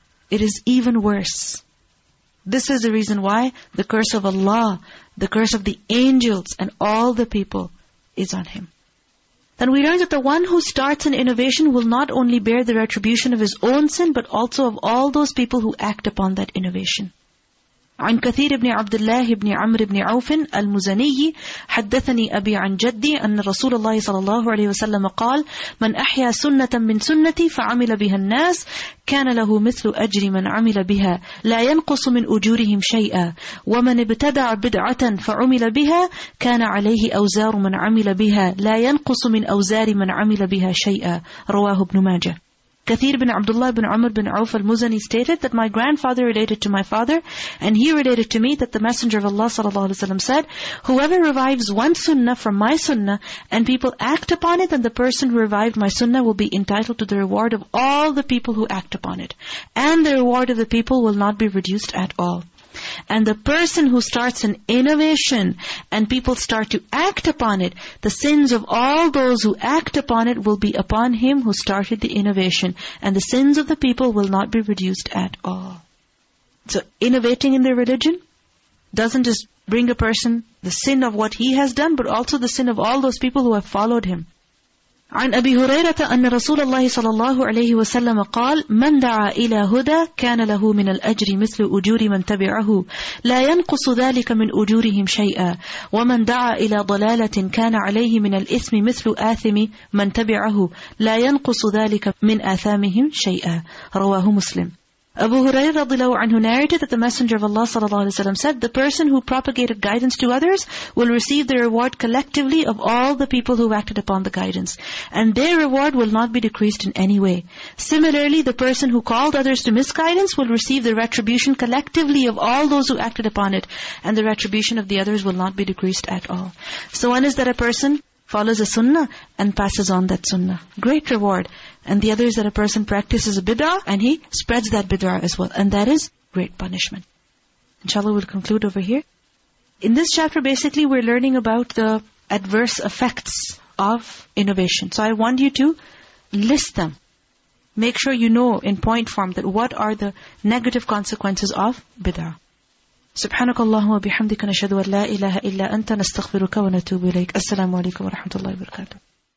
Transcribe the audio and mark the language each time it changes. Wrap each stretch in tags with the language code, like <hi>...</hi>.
<en>It is even worse. This is the reason why the curse of Allah, the curse of the angels and all the people is on him. Then we learn that the one who starts an innovation will not only bear the retribution of his own sin, but also of all those people who act upon that innovation.</en> <ar>عن كثير بن عبد الله بن عمرو بن عوف المزني حدثني أبي عن جدي أن رسول الله صلى الله عليه وسلم قال من أحيا سنة من سنتي فعمل بها الناس كان له مثل أجر من عمل بها لا ينقص من أجورهم شيئا ومن ابتدع بدعة فعمل بها كان عليه أوزار من عمل بها لا ينقص من أوزار من عمل بها شيئا رواه ابن ماجه.</ar> <en>Kathir bin Abdullah bin Umar bin Auf al-Muzani stated that my grandfather related to my father, and he related to me that the Messenger of Allah sallallahu alaihi wasallam said, whoever revives one sunnah from my sunnah, and people act upon it, then the person who revived my sunnah will be entitled to the reward of all the people who act upon it. And the reward of the people will not be reduced at all. And the person who starts an innovation and people start to act upon it, the sins of all those who act upon it will be upon him who started the innovation. And the sins of the people will not be reduced at all. So innovating in their religion doesn't just bring a person the sin of what he has done, but also the sin of all those people who have followed him.</en> <ar>عن أبي هريرة أن رسول الله صلى الله عليه وسلم قال من دعا إلى هدى كان له من الأجر مثل أجور من تبعه لا ينقص ذلك من أجورهم شيئا ومن دعا إلى ضلالة كان عليه من الإثم مثل آثم من تبعه لا ينقص ذلك من آثامهم شيئا رواه مسلم.</ar> <en>Abu Hurairah radiallahu anhu narrated that the Messenger of Allah sallallahu alaihi wasallam said, the person who propagated guidance to others will receive the reward collectively of all the people who acted upon the guidance. And their reward will not be decreased in any way. Similarly, the person who called others to misguidance will receive the retribution collectively of all those who acted upon it. And the retribution of the others will not be decreased at all. So one is that a person follows a sunnah and passes on that sunnah. Great reward. And the other is that a person practices a bid'ah and he spreads that bid'ah as well. And that is great punishment. Inshallah, we'll conclude over here. In this chapter, basically, we're learning about the adverse effects of innovation. So I want you to list them. Make sure you know in point form that what are the negative consequences of bid'ah.</en> <ar>سبحانك اللهم وبحمدك نشهد أن لا إله إلا أنت نستغفرك ونتوب إليك السلام عليكم ورحمة الله وبركاته</ar>